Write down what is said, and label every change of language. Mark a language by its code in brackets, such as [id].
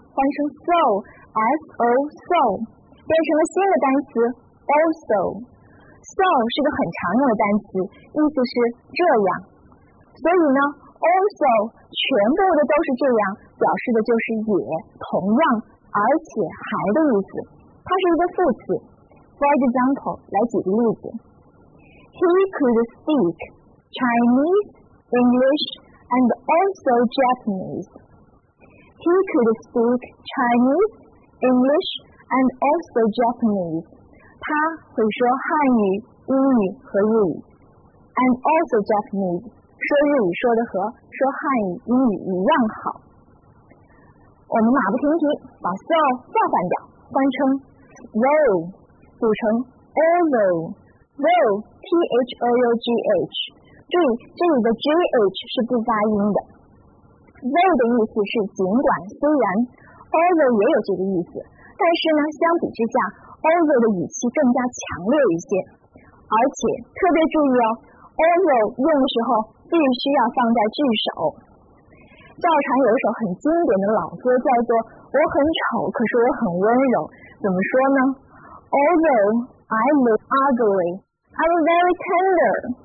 [zh] 换成 so， so， so， 变成了新的单词 also。 So 是个很常用的单词，意思是这样。所以呢 ，also 全部的都是这样，表示的就是也、同样、而且、还的意思。它是一个副词。 [en] For example， [zh] 来举个例子 [en] ：He could speak Chinese, English, and also Japanese. He could speak Chinese, English, and also Japanese. [zh] 他会说汉语、英语和日语 ， [en] and also Japanese， [zh] 说日语说的和说汉语、英语一样好。我们马不停蹄把 so 调换掉，换成 though， 组成 although，though，t-h-o-u-g-h， 注意这里的 g-h 是不发音的。 though 的意思是尽管、虽然 ，although 也有这个意思，但是呢，相比之下。 Although 的语气更加强烈一些，而且特别注意哦 ，although 用的时候必须要放在句首。教场有一首很经典的老歌，叫做《我很丑，可是我很温柔》。怎么说呢 [en] ？Although I look ugly, I'm very tender.